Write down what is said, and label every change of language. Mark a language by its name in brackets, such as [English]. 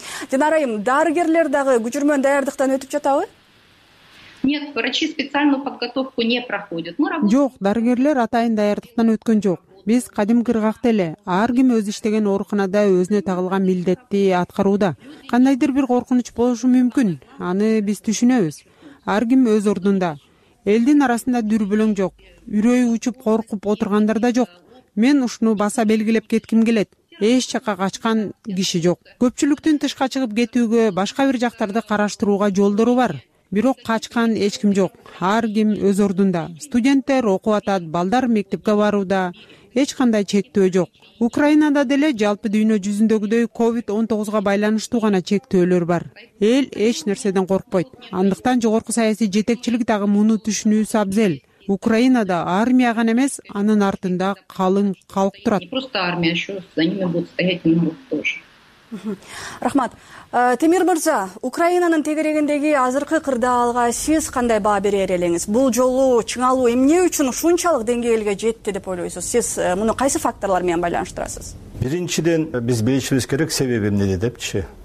[Kyrgyz] Динара айым, дарыгерлер дагы күчүрмөн даярдыктан өтүп жатабы? [Russian] Нет, врачи специальную подготовку не проходят. [Kyrgyz] Жок, дарыгерлер атайын даярдыктан өткөн жок. Биз кадимки ыргакта эле ар ким өз иштеген ооруканада өзүнө тагылган милдетти аткарууда. Кандайдыр бир коркунуч болушу мүмкүн. Аны биз түшүнөбүз. Ар ким өз ордунда. Элдин арасында дүрбөлөң жок. Үрөй учуп коркуп отургандар да жок. Мен ушуну баса белгилеп кетким келет. Эч жака качкан киши жок. Көпчүлүктүн тышка чыгып кетүүгө, башка бир жактарды караштырууга жолдору бар. Бирок качкан эч ким жок. Ар ким өз ордунда. Студенттер окуп атат, балдар мектепке барууда. Эч кандай чектөө жок. Украинада деле жалпы дүйнө жүзүндөгүдөй COVID-19 байланыштуу гана чектөөлөр бар. Эл эч нерседен коркпойт. Андыктан жогорку саясий жетекчилик дагы муну түшүнүүсү абзел. Украинада армия гана эмес, анын артында калың калк турат. [Russian] Не просто армия, еще за ними будут стоять народ тоже. [Kyrgyz] Рахмат. Темир Мырза, Украинанын тегерегиндеги азыркы кырдаалга сиз кандай баа берер элеңиз? Бул жолу чыңалуу эмне үчүн ушунчалык деңгээлге жетти деп ойлойсуз? Сиз муну кайсы факторлор менен байланыштырасыз? Биринчиден биз билишибиз керек себеби эмнеде депчи.